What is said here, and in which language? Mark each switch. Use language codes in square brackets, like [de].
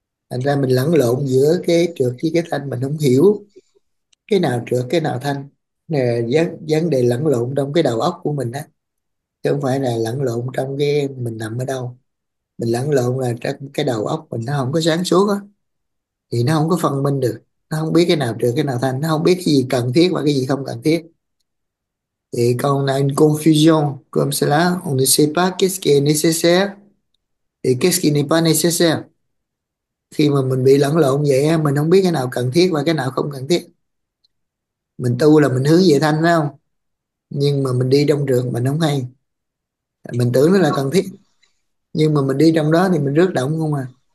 [vi] Thành ra mình lẫn lộn giữa cái trược với cái thanh, mình không hiểu cái nào trược cái nào thanh. Nè, vấn đề lẫn lộn trong cái đầu óc của mình á. chứ không phải là lẫn lộn trong cái mình nằm ở đâu. Mình lẫn lộn là trong cái đầu óc mình nó không có sáng suốt á, thì nó không có phân minh được, nó không biết cái nào được cái nào thành, nó không biết cái gì cần thiết và cái gì không cần thiết. Thì con là [fr] une confusion comme cela, on ne sait pas qu'est-ce qui est nécessaire et qu'est-ce qui n'est pas nécessaire. [vi] Khi mà mình bị lẫn lộn vậy á, mình không biết cái nào cần thiết và cái nào không cần thiết. Mình tu là mình hướng về thanh, phải không? Nhưng mà mình đi trong trường mình không hay, mình tưởng nó là cần thiết nhưng mà mình đi trong đó thì mình rước động không à.